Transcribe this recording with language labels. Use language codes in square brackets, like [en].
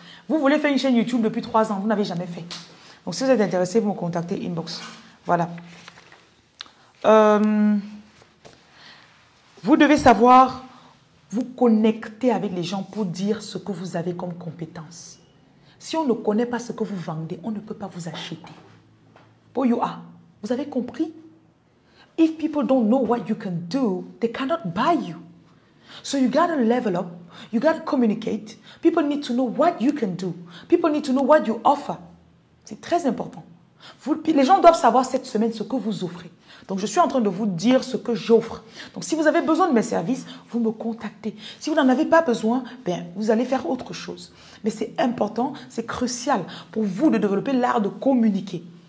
[fr] Vous voulez faire une chaîne YouTube depuis 3 ans, vous n'avez jamais fait. Donc, si vous êtes intéressé, vous me contactez inbox. Voilà. Vous devez savoir vous connecter avec les gens pour dire ce que vous avez comme compétence. Si on ne connaît pas ce que vous vendez, on ne peut pas vous acheter. Pour you are. Vous avez compris? [en] If people don't know what you can do, they cannot buy you. So you gotta level up. You gotta communicate. People need to know what you can do. People need to know what you offer. [fr] C'est très important. Les gens doivent savoir cette semaine ce que vous offrez. Donc, je suis en train de vous dire ce que j'offre. Donc, si vous avez besoin de mes services, vous me contactez. Si vous n'en avez pas besoin, bien, vous allez faire autre chose. Mais c'est important, c'est crucial pour vous de développer l'art de communiquer.